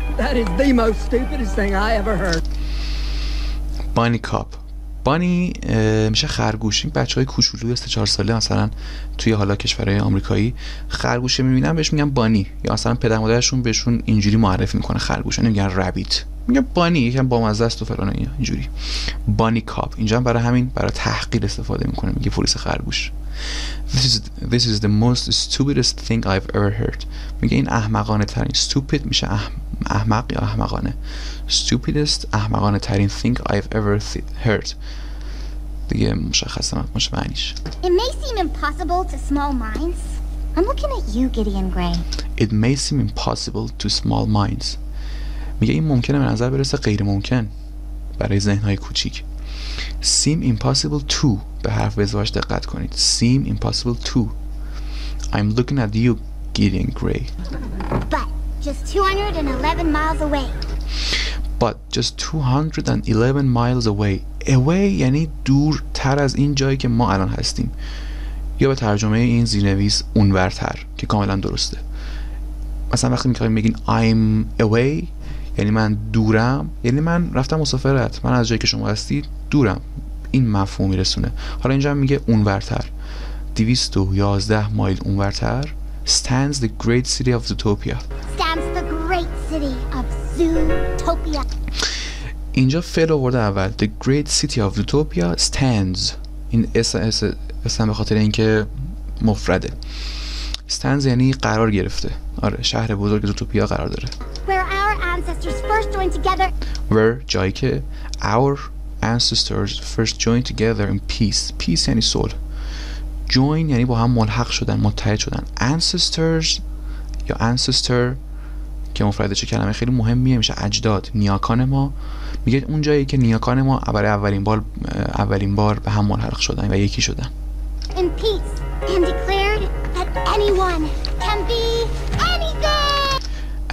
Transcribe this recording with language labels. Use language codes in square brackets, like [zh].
[en] That is the most stupidest thing I ever heard. Bunny cop. [fa] بانی میشه خرگوش. این بچه های کوچولوی است 4 ساله مثلا توی حالا کشورهای آمریکایی خرگوش میبینن بهش میگن بانی، یا مثلا پدر مادرشون بهشون اینجوری معرفی میکنه خرگوش، نمیگن رابیت، میگن بانی، یکم بامزه است و فلان اینجوری. بانی کاپ اینجا هم برای همین برای تحقیر استفاده میکنه، میگه پلیس خرگوش. [en] This is the most stupidest thing I've ever heard. [fa] میگه این احمقانه ترین، [en] stupid میشه [fa] احمق یا احمقانه. [en] Stupidest [fa] احمقانه ترین [en] thing I've ever heard. [fa] دیگه مشخص مش معنیش. [en] It may seem impossible to small minds. I'm looking at you, Gideon Gray. It may seem impossible to small minds. [fa] میگه این ممکنه به نظر برسه غیر ممکن برای ذهنهای کوچیک. [en] Seem impossible to [fa] به حرف بزواش دقت کنید. [en] Seem impossible to. I'm looking at you, Gideon Gray. But just 211 miles away. But just 211 miles away. [fa] Away یعنی دورتر از این جایی که ما الان هستیم. یا به ترجمه این زیرنویس اونورتر که کاملا درسته. مثلا وقتی میخواییم بگین [en] I'm away [fa] یعنی من دورم، یعنی من رفتم مسافرت، من از جایی که شما هستید دورم، این مفهوم میرسونه. حالا اینجا هم میگه اونورتر، 211 مایل اونورتر. [en] Stands the great city of Zootopia. Stands the great city of Zootopia. [fa] اینجا فعل آورده اول، [en] the great city of Zootopia stands. [fa] این اس به خاطر اینکه مفرده. Stands یعنی قرار گرفته. آره، شهر بزرگ زوتوپیا قرار داره. [en] Where our ancestors first joined together. Where [fa] جایی که [en] our ancestors first joined together in peace. [fa] Peace یعنی صلح. Join یعنی با هم ملحق شدن، متحد شدن. Ancestors یا ancestor که مفرده چه کلمه خیلی مهمیه، میشه اجداد، نیاکان ما. میگه اون جایی که نیاکان ما برای اولین بار به هم ملحق شدن و یکی شدن. [en] In peace and declared that anyone can be anything.